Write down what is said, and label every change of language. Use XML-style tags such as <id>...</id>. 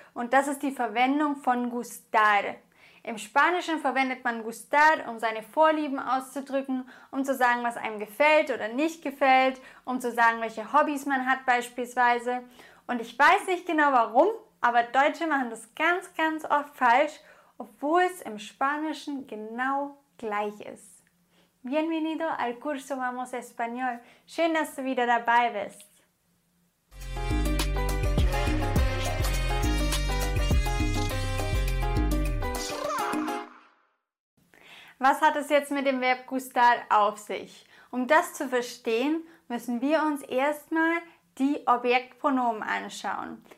<de>Und das ist die Verwendung von gustar. Im Spanischen verwendet man gustar, um seine Vorlieben auszudrücken, um zu sagen, was einem gefällt oder nicht gefällt, um zu sagen, welche Hobbys man hat beispielsweise. Und ich weiß nicht genau warum, aber Deutsche machen das ganz, ganz oft falsch, obwohl es im Spanischen genau gleich ist.</de> <es>Bienvenido al curso Vamos Español.</es> <de>Schön, dass du wieder dabei bist. Was hat es jetzt mit dem Verb gustar auf sich? Um das zu verstehen, müssen wir uns erstmal die Objektpronomen anschauen.</de>